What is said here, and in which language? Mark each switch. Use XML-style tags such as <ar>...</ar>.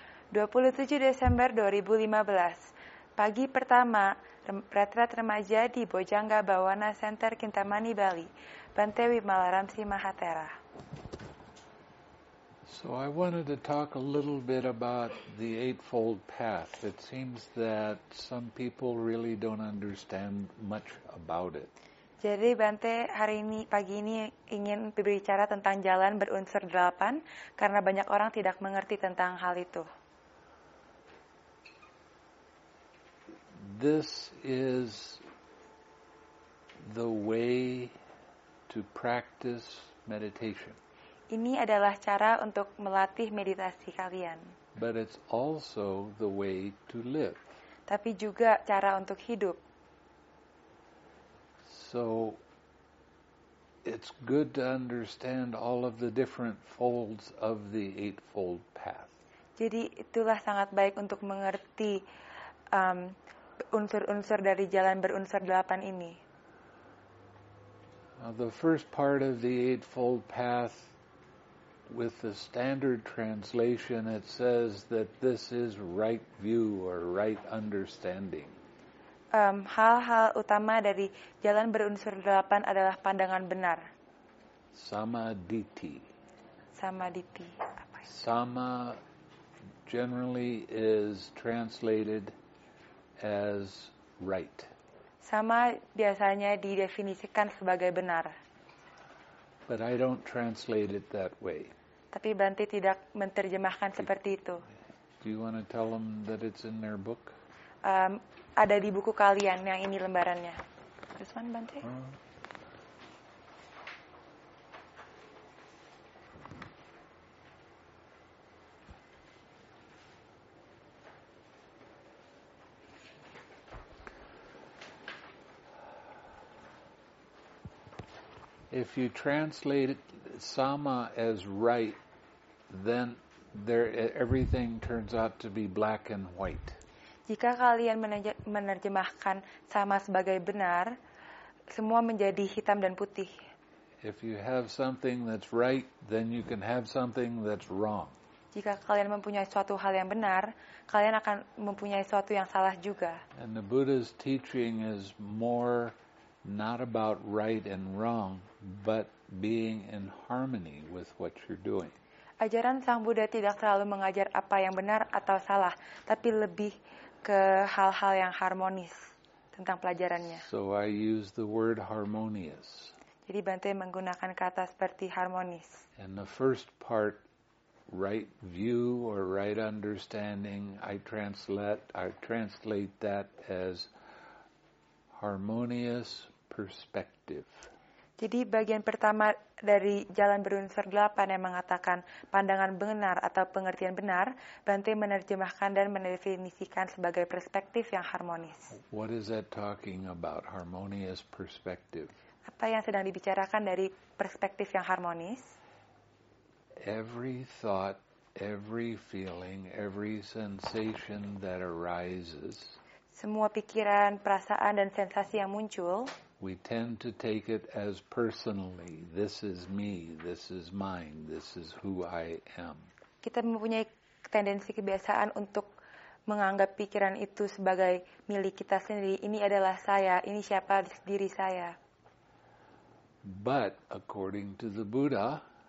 <id>27 Desember 2015, pagi pertama retret remaja di Bujangga Bhavana Center, Kintamani, Bali. Bante Wimalaramsi Mahathera.</id> <en>So I wanted to talk a little bit about the Eightfold Path. It seems that some people really don't understand much about it.</en> <id>Jadi Bante hari ini pagi ini ingin berbicara tentang jalan berunsur delapan karena banyak orang tidak mengerti tentang hal itu.</id> <en>This is the way to practice meditation.</en> <id>Ini adalah cara untuk melatih meditasi kalian.</id> <en>But it's also the way to live.</en> <id>Tapi juga cara untuk hidup.</id> <en>So it's good to understand all of the different folds of the Eightfold Path.</en> <id>Jadi itulah sangat baik untuk mengerti unsur-unsur dari jalan berunsur delapan ini.</id> <en>Now, the first part of the Eightfold Path, with the standard translation, it says that this is right view or right understanding.</en> <id>Hal-hal utama dari jalan berunsur delapan adalah pandangan benar. Samadhiti. Samadhiti. Apa itu?</id> <en>Sama generally is translated as right.</en> <id>Sama biasanya didefinisikan sebagai benar.</id> <en>But I don't translate it that way.</en> <id>Tapi Banti tidak menerjemahkan seperti itu.</id> <en>Do you want to tell them that it's in their book?</en> <id>Ada di buku kalian yang ini lembarannya.</id> <en>This one, Bante. If you translate sama as right, then there everything turns out to be black and white.</en> <id>Jika kalian menerjemahkan sama sebagai benar, semua menjadi hitam dan putih.</id> <en>If you have something that's right, then you can have something that's wrong.</en> <id>Jika kalian mempunyai suatu hal yang benar, kalian akan mempunyai suatu yang salah juga.</id> <en>And the Buddha's teaching is more not about right and wrong, but being in harmony with what you're doing.</en> <id>Ajaran Sang Buddha tidak terlalu mengajar apa yang benar atau salah, tapi lebih ke hal-hal yang harmonis tentang pelajarannya.</id> <en>So I use the word harmonious.</en> <id>Jadi Bante menggunakan kata seperti harmonis.</id> <en>And the first part, right view or right understanding, I translate that as harmonious perspective.</en> <id>Jadi bagian pertama dari jalan berunsur delapan yang mengatakan pandangan benar atau pengertian benar, Bante menerjemahkan dan mendefinisikan sebagai perspektif yang harmonis.</id> <en>What is that talking about, harmonious perspective?</en> <id>Apa yang sedang dibicarakan dari perspektif yang harmonis?</id> <en>Every thought, every feeling, every sensation that arises.</en> <id>Semua pikiran, perasaan, dan sensasi yang muncul.</id> <en>We tend to take it as personally. This is me, this is mine, this is who I am.</en> <id>Kita mempunyai tendensi kebiasaan untuk menganggap pikiran itu sebagai milik kita sendiri. Ini adalah saya, ini siapa diri saya.</id> <en>But according to the Buddha,</en>